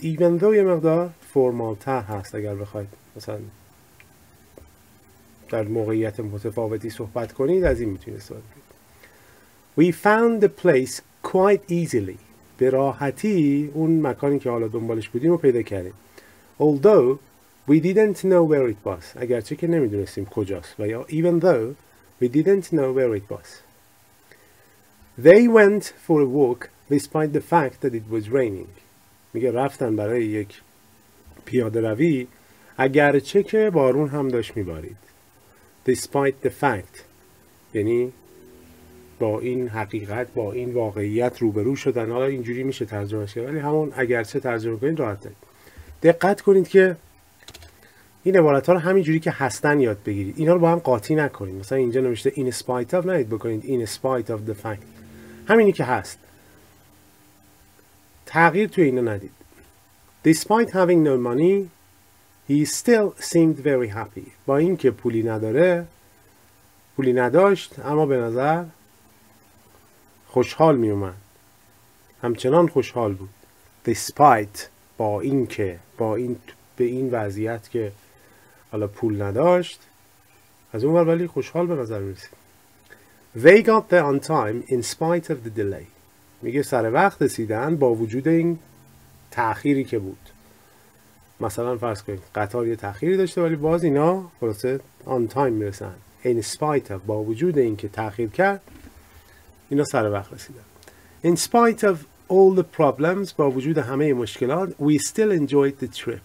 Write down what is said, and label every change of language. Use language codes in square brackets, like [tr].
[fa] even though یه مقدار فرمال تر هست اگر بخواید مثلا در موقعیت متفاوتی صحبت کنید از این میتونید استفاده کنید. [en] we found the place quite easily. [fa] به راحتی اون مکانی که حالا دنبالش بودیم رو پیدا کردیم. [en] although we didn't know where it was. [fa] اگرچه که نمیدونستیم کجاست. و یا [en] even though we didn't know where it was. they went for a walk despite the fact that it was raining. [fa] میگه رفتن برای یک پیاده روی اگرچه که بارون هم داشت میبارید. despite the fact یعنی با این حقیقت، با این واقعیت روبرو شدن. حالا اینجوری میشه ترجمهش کرد ولی همون اگرچه ترجمه کنید راحت دارید. دقت کنید که این عبارت ها رو همینجوری که هستن یاد بگیرید. اینا رو با هم قاطی نکنید. مثلا اینجا نمیشته in spite of، نهید بکنید [en] in spite of the fact. [fa] همینی که هست تغییر توی اینو ندید. [en] despite having no money he still seemed very happy. [fa] با اینکه پولی نداره، پولی نداشت، اما به نظر خوشحال می اومد. همچنان خوشحال بود. despite با اینکه، با این به این وضعیت که حالا پول نداشت، از اون ور ولی خوشحال به نظر می رسید. [en] they got there on time in spite of the delay. [fa] میگه سر وقت رسیدن با وجود این تأخیری که بود. مثلا فرض کنید قطار یه تأخیری داشته ولی باز اینا خلاصه آن تایم میرسن. in spite of با وجود این که تأخیر کرد اینا سر وقت رسیدن. [en] in spite of all the problems [fa] با وجود همه مشکلات [en] we still enjoyed the trip.